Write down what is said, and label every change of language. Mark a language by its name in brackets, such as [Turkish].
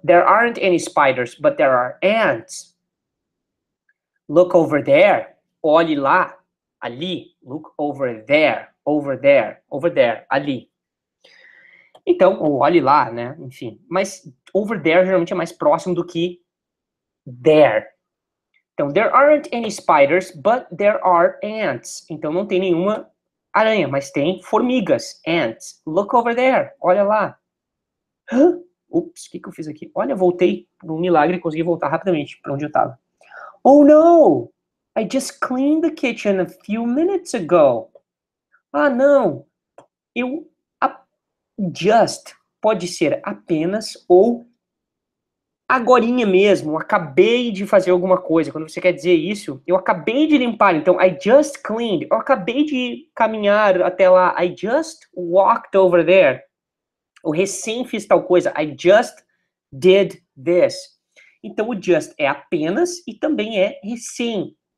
[English] There aren't any spiders, but there are ants. Look over there. [Portuguese] Olhe lá, ali. [English] Look over there, over there, over there, ali. [Portuguese] Então, ou olhe lá, né? Enfim, mas over there geralmente é mais próximo do que there. [English] Então, there aren't any spiders, but there are ants. [Portuguese] Então, não tem nenhuma aranha, mas tem formigas, ants. [English] Look over there, [Portuguese] olha lá. Huh? Ups, o que eu fiz aqui? Olha, voltei num milagre e consegui voltar rapidamente para onde eu estava. [English] Oh, no! I just cleaned the kitchen a few minutes ago. [Portuguese] Ah, não! Eu... Just pode ser apenas ou agorinha mesmo, acabei de fazer alguma coisa. Quando você quer dizer isso, eu acabei de limpar. Então, [English] I just cleaned. [Portuguese] Eu acabei de caminhar até lá. [English] I just walked over there. [Portuguese] Eu recém fiz tal coisa. [English] I just did this. [Portuguese] Então, o just é apenas e também é recém.